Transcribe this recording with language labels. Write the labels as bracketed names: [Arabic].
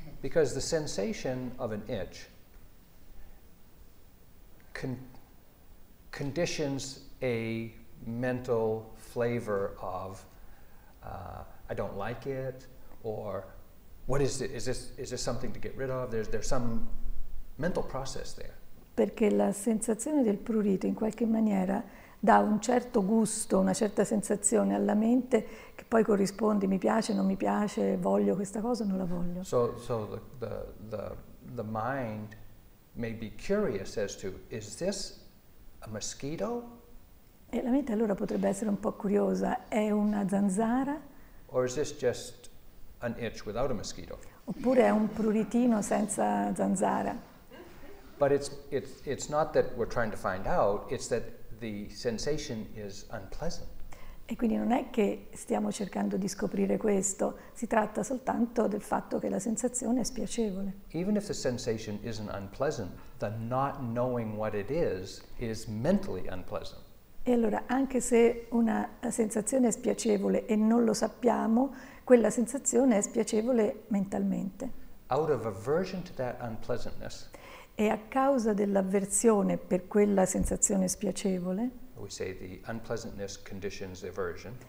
[English] Because the sensation of an itch conditions a mental flavor of I don't like it, or what is it? Is this something to get rid of? There's some mental process there. [Italian] Perché la sensazione del prurito in qualche maniera dà un certo gusto, una certa sensazione alla mente che poi corrisponde mi piace, non mi piace, voglio questa cosa, non la voglio. [English] So the mind may be curious as to is this a mosquito? [Italian] E la mente allora potrebbe essere un po' curiosa, è una zanzara? [English] Or is this just an itch without a mosquito? [Italian] Oppure è un pruritino senza zanzara? [English] But it's not that we're trying to find out, it's that the sensation is unpleasant. [Italian] E quindi non è che stiamo cercando di scoprire questo, si tratta soltanto del fatto che la sensazione è spiacevole. [English] Even if the sensation isn't unpleasant, the not knowing what it is mentally unpleasant. [Italian] E allora, anche se una sensazione è spiacevole e non lo sappiamo, quella sensazione è spiacevole mentalmente. [English] Out of aversion to that unpleasantness, [Italian] e a causa dell'avversione per quella sensazione spiacevole, [English] we say the unpleasantness conditions aversion.